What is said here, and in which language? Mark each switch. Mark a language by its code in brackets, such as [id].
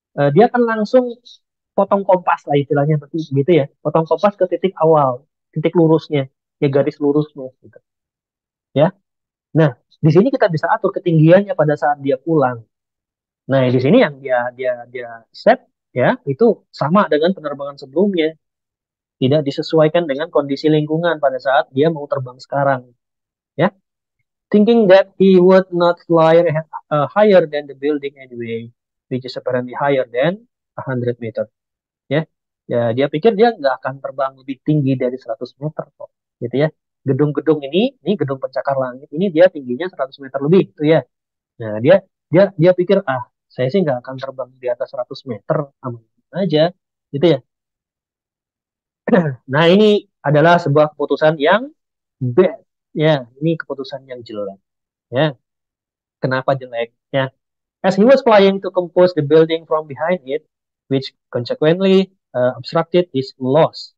[id] Dia akan langsung potong kompas lah istilahnya seperti gitu ya, potong kompas ke titik awal, titik lurusnya, ya garis lurusnya gitu. Ya. Nah, di sini kita bisa atur ketinggiannya pada saat dia pulang. Nah, di sini yang dia set ya, itu sama dengan penerbangan sebelumnya. Tidak disesuaikan dengan kondisi lingkungan pada saat dia mau terbang sekarang. Ya. [en] Thinking that he would not fly higher than the building anyway, which is apparently higher than 100 meter. [id] Ya. Ya, dia pikir dia nggak akan terbang lebih tinggi dari 100 meter kok. Gitu ya. Gedung-gedung ini gedung pencakar langit, ini dia tingginya 100 meter lebih itu ya. Nah, dia dia dia pikir, ah, saya sih nggak akan terbang di atas 100 meter, aman aja, gitu ya. Nah, ini adalah sebuah keputusan yang bad, ya. Ini keputusan yang jelek, ya. Kenapa jelek? [en] Ya, as he was flying to compose the building from behind it, which consequently obstructed his loss.